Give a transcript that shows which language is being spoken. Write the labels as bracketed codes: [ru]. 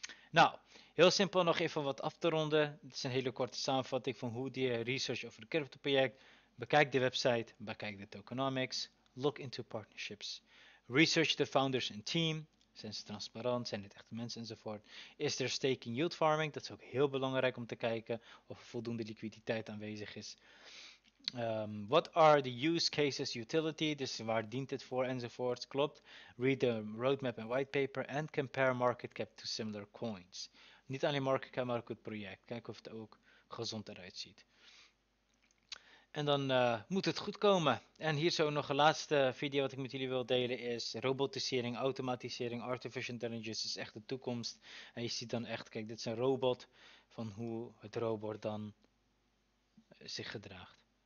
[nl] Nou, heel simpel nog even wat af te ronden. Dit is een hele korte samenvatting van hoe die research over het crypto project. Bekijk de website, bekijk de tokenomics, [en] look into partnerships, research the founders and team, [nl] Zijn ze transparant? Zijn het echte mensen enzovoort? Is er staking yield farming? Dat is ook heel belangrijk om te kijken of er voldoende liquiditeit aanwezig is. [en] What are the use cases, utility? [nl] Dus waar dient het voor enzovoort? Klopt. [en] Read the roadmap en white paper and compare market cap to similar coins. [nl] Niet alleen market cap, maar ook het project. Kijk of het ook gezond eruit ziet. En dan moet het goed komen. En hier zo nog een laatste video wat ik met jullie wil delen is robotisering, automatisering, artificial intelligence is echt de toekomst. En je ziet dan echt, kijk, dit is een robot van hoe het robot dan zich gedraagt.